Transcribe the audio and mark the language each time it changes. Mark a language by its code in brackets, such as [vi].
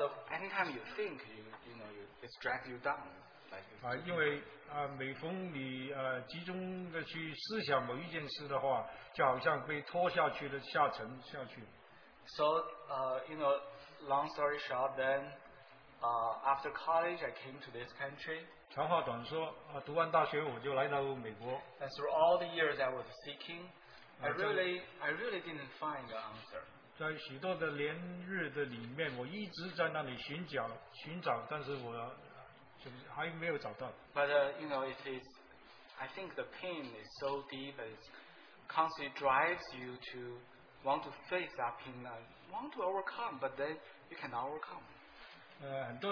[en] of any time you think, you know, it drags you down. [zh] 因为每逢你集中的去思想某一件事的话，就好像被拖下去的下沉下去。So, [en] you know, long story short, then, after college, I came to this country. [zh] 长话短说，读完大学我就来到美国。And [en] through all the years I was seeking, I really didn't find the answer. [zh] 在许多的年日的里面，我一直在那里寻找，但是我。 [en] But you know, it is. I think the pain is so deep, and it constantly drives you to want to face that pain, want to overcome, but then you cannot overcome.